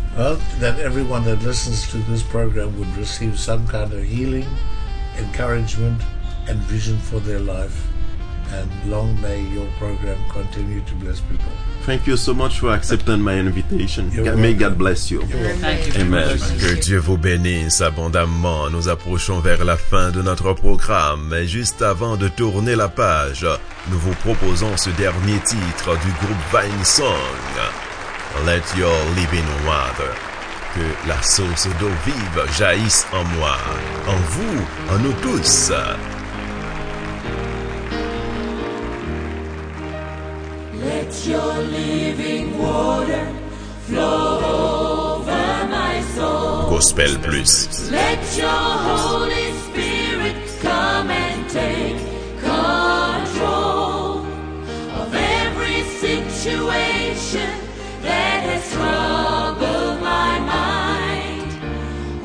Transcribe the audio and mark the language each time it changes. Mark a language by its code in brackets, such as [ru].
[en] Well, that everyone that listens to this program would receive some kind of healing, encouragement, and vision for their life. And long may your program continue to bless people. Thank you so much for accepting my invitation. May God bless you. Amen. [fr] Que Dieu vous bénisse abondamment. Nous approchons vers la fin de notre programme. Mais juste avant de tourner la page, nous vous proposons ce dernier titre du groupe Vine Song. [en] Let your living water. [fr] Que la source d'eau vive jaillisse en moi, en vous, en nous tous. [en] Let your living water flow over my soul. Gospel Plus. Let your Holy Spirit come and take control of every situation that has troubled my mind.